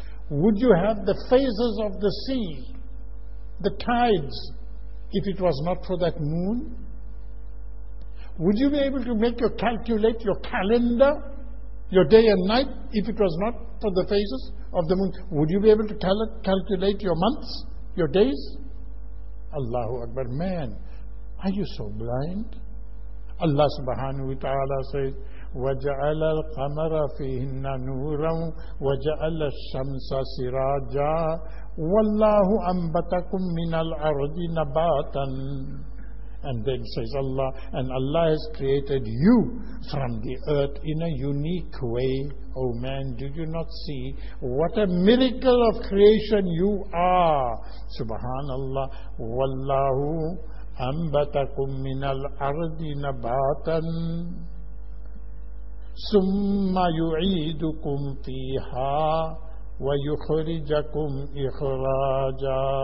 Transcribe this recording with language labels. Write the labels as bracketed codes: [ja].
[en] Would you have the phases of the sea, the tides, if it was not for that moon? Would you be able to make your calculate your calendar, your day and night, if it was not for the phases of the moon? Would you be able to calculate your months, your days? Allahu Akbar. Man, are you so blind? [ar] Allah subhanahu wa ta'ala says, وَجَعَلَ الْقَمَرَ فِيهِنَّ نُورًا وَجَعَلَ الشَّمْسَ سِرَاجًا وَاللَّهُ أَنْبَتَكُمْ مِنَ الْأَرْضِ نَبَاتًا. [en] And then says Allah, and Allah has created you from the earth in a unique way. Oh man, do you not see what a miracle of creation you are? [ar] Subhanallah. وَاللَّهُ أَنْبَتَكُمْ مِنَ الْأَرْضِ نَبَاتًا ثُمَّ يُعِيدُكُمْ فِيهَا وَيُخْرِجَكُمْ إِخْرَاجًا.